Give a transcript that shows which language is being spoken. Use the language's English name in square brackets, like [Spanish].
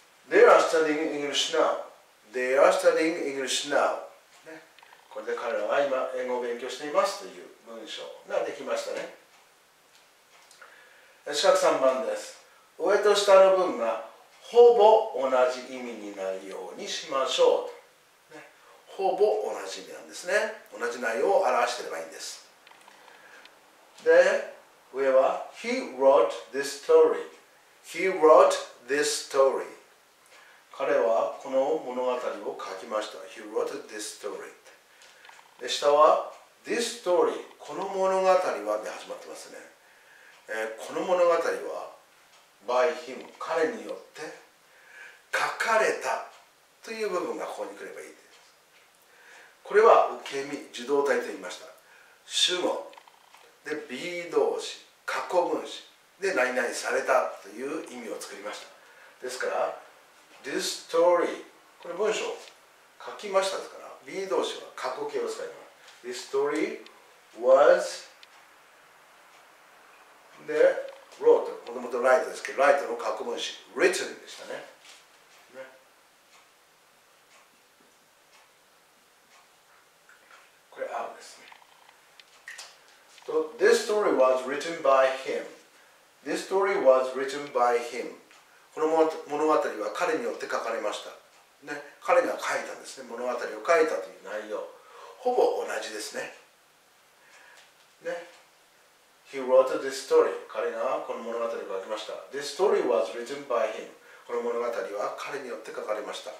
[English] They are studying English now. They are studying English now. [Japanese] これで彼らは今英語を勉強していますという文章ができましたね。四角三番です。上と下の文がほぼ同じ意味になるようにしましょう、ね、ほぼ同じ意味なんですね。同じ内容を表していればいいんです。で、上は [English] He wrote this story. He wrote this story. [Japanese] 彼はこの物語を書きました。 [English] He wrote this story. [Japanese] で下は This story この物語はで始まってますね、この物語は By him 彼によって書かれたという部分がここに来ればいいです。これは受け身受動態と言いました。主語で be 動詞過去分詞で何々されたという意味を作りました。ですから This story これ文章書きましたですから B 動詞は過去形を使います。 This story was で wrote もともと write ですけど write の過去分詞 written でした ね。これ out ですね。 [English] So, This story was written by him. This story was written by him. [Japanese] この物語は彼によって書かれました。ね、彼が書いたんですね。物語を書いたという内容ほぼ同じです ね。 [English] He wrote this story [Japanese] 彼がこの物語を書きました。 [English] This story was written by him [Japanese] この物語は彼によって書かれました。